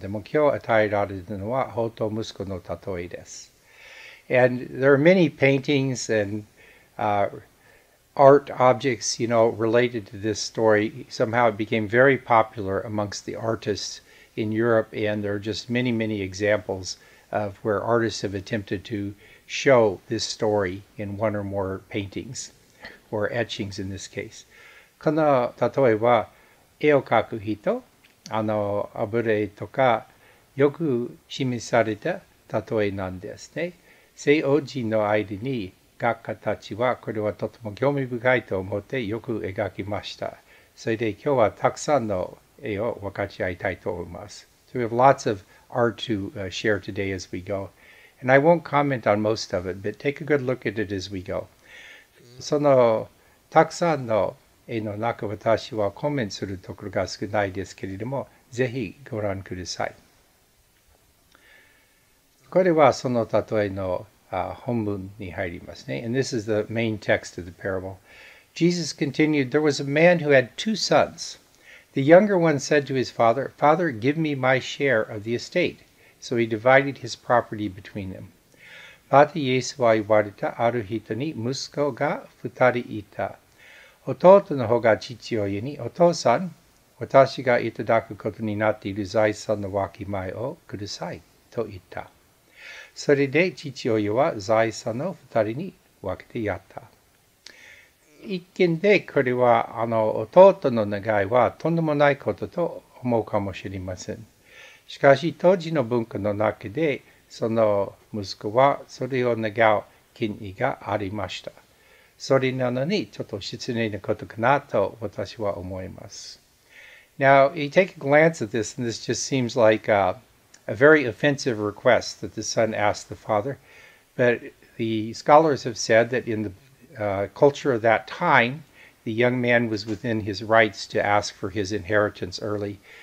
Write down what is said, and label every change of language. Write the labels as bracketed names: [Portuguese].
[English] And there are many paintings and art objects, you know, related to this story. Somehow it became very popular amongst the artists in Europe, and there are just many, many examples of where artists have attempted to show this story in one or more paintings, or etchings in this case. [Japanese] この例えば、絵を描く人、あの油絵とか、よく示された例えなんですね。西洋人の間に画家たちは、これはとても興味深いと思ってよく描きました。それで今日はたくさんの絵を分かち合いたいと思います。 [English] So we have lots of art to share today as we go. And I won't comment on most of it, but take a good look at it as we go. [Japanese] そのたくさんの絵の中、私はコメントするところが少ないですけれども、ぜひご覧ください。これはその例えの本文に入りますね。 [English] And this is the main text of the parable. Jesus continued, There was a man who had two sons. The younger one said to his father, Father, give me my share of the estate. So he divided his property between them. [Japanese] またイエスは言われたある人に息子が二人いた。弟の方が父親に、お父さん、私がいただくことになっている財産のわきまえをください、と言った。それで父親は財産の二人に分けてやった。一見でこれは弟の願いはとんでもないことと思うかもしれません。しかし当時の文化の中でその息子はそれを願う権威がありました。それなのにちょっと失礼なことかなと私は思います。 [English] Now, you take a glance at this and this just seems like a very offensive request that the son asked the father. But the scholars have said that in the culture of that time, the young man was within his rights to ask for his inheritance early.